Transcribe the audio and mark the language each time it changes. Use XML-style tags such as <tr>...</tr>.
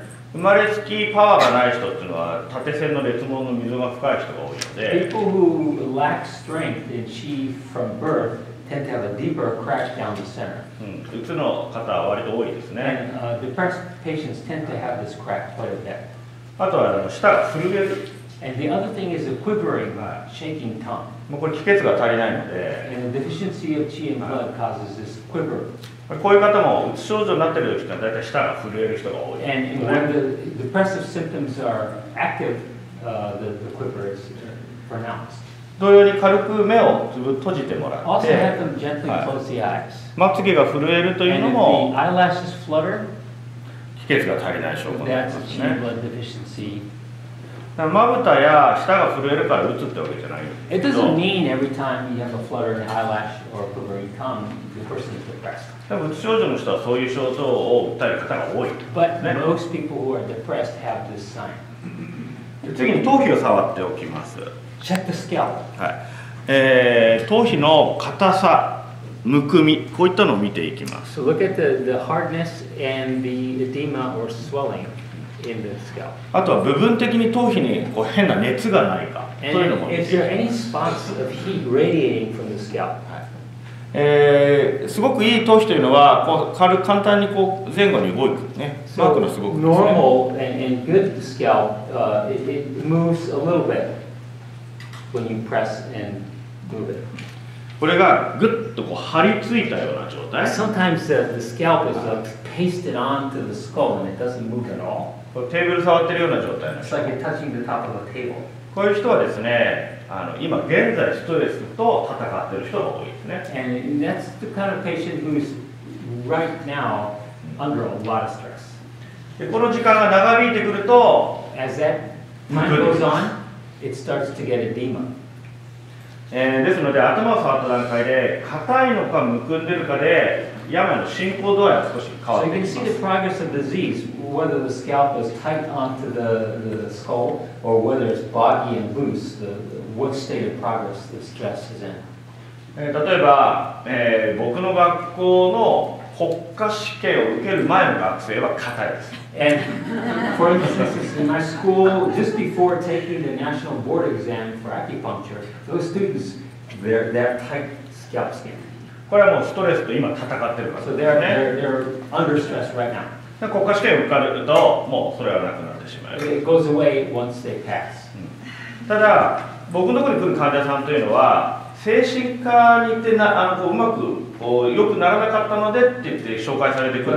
<ja>生まれつきパワーがない人っていうのは縦線の裂紋の溝が深い人が多いので、</ja> <en>People who lack strength in chi from birth tend to have a deeper crack down the center.</en> <ja>うつの方は割と多いですね。</ja> <en>Depressed patients tend to have this crack quite a bit.</en> <ja>あとは舌が震える。</ja> <en>And the other thing is a quivering, shaking tongue.</en> <ja>もうこれ気血が足りないので。</ja> <en>And the deficiency of qi and blood causes this quiver.</en> <ja>こういう方もうつ症状になっている時ってだいたい舌が震える人が多いですね。</ja> <en>And when the depressive symptoms are active, the quiver is pronounced.</en> <ja>同様に軽く目をつぶ閉じてもらって。</ja> <en>Also have them gently close the eyes.</en> <ja>まつげが震えるというのも。</ja> <en>And if the eyelashes flutter,</en> <ja>気血が足りない証拠なんですね。</ja> <en>That's qi and blood deficiency.</en> <ja>まぶたや舌が震えるから打つってわけじゃないよ。</ja> <en>It doesn't mean every time you have a flutter in the eyelash or quiver you come, the person is depressed.</en> <ja>うつ症状の人はそういう症状を訴える方が多い。</ja> <en>But most people who are depressed have this sign.</en> <ja>次に頭皮を触っておきます。</ja> <en>Check the scalp.</en> <ja>はい。頭皮の硬さ、むくみ、こういったのを見ていきます。</ja> <en>So look at the hardness and the edema or swelling. In the scalp.</en> <ja>あとは部分的に頭皮にこう変な熱がないか、そういうのも見ます。</ja> <en>Is there any spots of heat radiating from the scalp?</en> <ja>はい。すごくいい頭皮というのはこう軽簡単にこう前後に動くね。マークのすごく。</ja> <en>Normal and good scalp, it moves a little bit when you press and move it.</en> <ja>これがグッとこう張り付いたような状態。</ja> <en>Sometimes the scalp is pasted onto the skull and it doesn't move at all.</en> <ja>これテーブル触ってるような状態。</ja> <en>It's like touching the top of a table.</en> <ja>こういう人はですね、今現在ストレスと戦ってる人が多いですね。</ja> <en>And that's the kind of patient who is right now under a lot of stress.</en> <ja>でこの時間が長引いてくると、</ja> <en>As that time goes on, it starts to get edema.</en> <ja>ですので頭を触った段階で硬いのかむくんでるかで病の進行度合いは少し変わってきます。</ja> <en>So you can see the progress of disease, whether the scalp is tight onto the skull or whether it's boggy and loose, what state of progress the stress is in.</en> <ja>例えば、僕の学校の国家試験を受ける前の学生は硬いです。</ja> <en>And for instance, in my school, just before taking the national board exam for acupuncture, those students, they're tight scalp skin.</en> <ja>これはもうストレスと今戦ってるからですね。</ja> <en>So they're under stress right now.</en> <ja>国家試験を受かるともうそれはなくなってしまう。</ja> <en>It goes away once they pass.</en> <ja>ただ僕のところに来る患者さんというのは精神科に行ってうまく良くならなかったのでって言って紹介されてくる。</ja>